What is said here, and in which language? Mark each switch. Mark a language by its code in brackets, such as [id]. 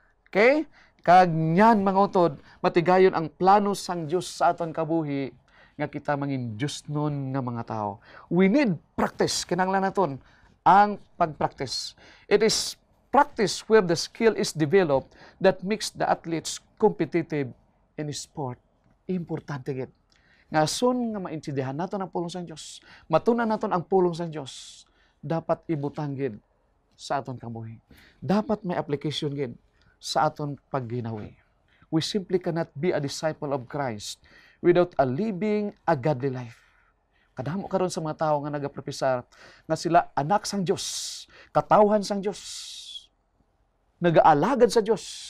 [hil] Okay, kag nyan mga utod, matigayon ang plano sang Diyos sa aton kabuhi nga kita manging Diyos nun nga mga tao. [en] We need practice. [hil] Kinahanglan naton ang pag-practice. [en] It is practice where the skill is developed that makes the athletes competitive in sport. [hil] Importante gid. Nga soon nga maintindihan naton ang pulong sa Diyos, matunan naton ang pulong sa Diyos, dapat ibutang gid sa aton kamuhi. Dapat may application gid sa aton pagginawi. [en] We simply cannot be a disciple of Christ without a living, a godly life. [hil] Kadamo karon sa mga tao nga nagaprofesar nga sila anak sang Diyos, katawhan sang Diyos, nag-aalagad sa Diyos.